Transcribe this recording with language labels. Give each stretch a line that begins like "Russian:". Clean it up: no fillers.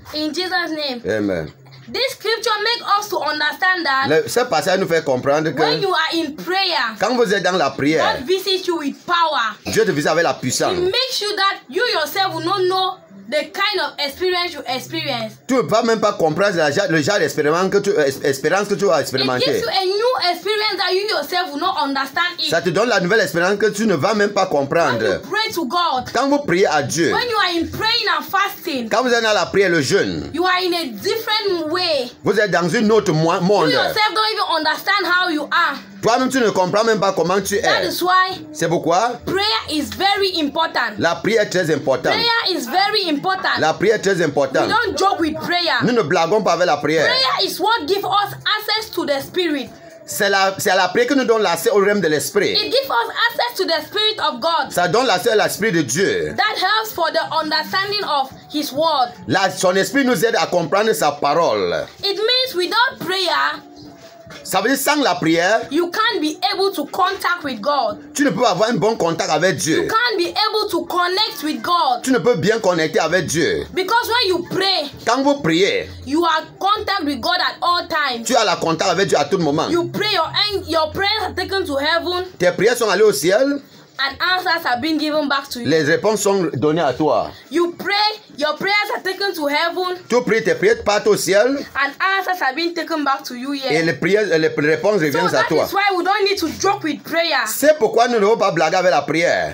English: In Jesus' name. Amen. This scripture makes us to understand that
French: ce passage nous fait comprendre que
English: when you are in prayer,
French: quand vous êtes dans la prière,
English: God visits you with power.
French: Dieu te visite avec la puissance.
English: It makes you that you yourself will not know the kind of experience you experience.
French: Tu ne vas même pas comprendre le genre d'expérience que tu as expérimenté.
English: It gives you a new experience that you yourself will not understand it.
French: Ça te donne la nouvelle expérience que tu ne vas même pas comprendre.
English: When you pray to God,
French: quand vous priez à Dieu,
English: when you are in praying and fasting,
French: quand vous êtes dans la prière, le jeûne,
English: you are in a different way.
French: Vous êtes dans une autre monde.
English: You yourself don't even understand how you are.
French: Toi-même, tu ne comprends même pas comment tu es.
English: That is why.
French: C'est pourquoi.
English: Prayer is very important.
French: La prière est très importante.
English: Prayer is very important.
French: La prière est très importante.
English: We don't joke with prayer.
French: Nous ne blaguons pas avec la prière.
English: Prayer is what gives us access to the Spirit.
French: C'est la prière qui nous donne l'accès au règne de l'esprit.
English: It gives us access to the Spirit of God.
French: Ça donne l'accès à l'esprit de Dieu.
English: That helps for the understanding of His word.
French: Là, son esprit nous aide à comprendre sa parole.
English: It means without prayer.
French: Ça veut dire sans la prière,
English: you can't be able to contact with God.
French: Tu ne peux pas avoir un bon contact avec Dieu.
English: You can't be able to connect with God.
French: Tu ne peux bien connecter avec Dieu.
English: Because when you pray,
French: quand vous priez,
English: you are contact with God at all times.
French: Tu as la contact avec Dieu à tout moment.
English: You pray, your prayers are taken to heaven.
French: Tes prières sont allées au ciel.
English: And answers have been given back to you.
French: Les réponses sont données à toi.
English: You pray, your prayers are taken to heaven.
French: Tu pries, tes prières partent au ciel.
English: And answers have been taken back to you. Yeah.
French: Et les prières, les réponses reviennent so à toi.
English: So that is why we don't need to joke with prayer.
French: C'est pourquoi nous ne devons pas blaguer avec la prière.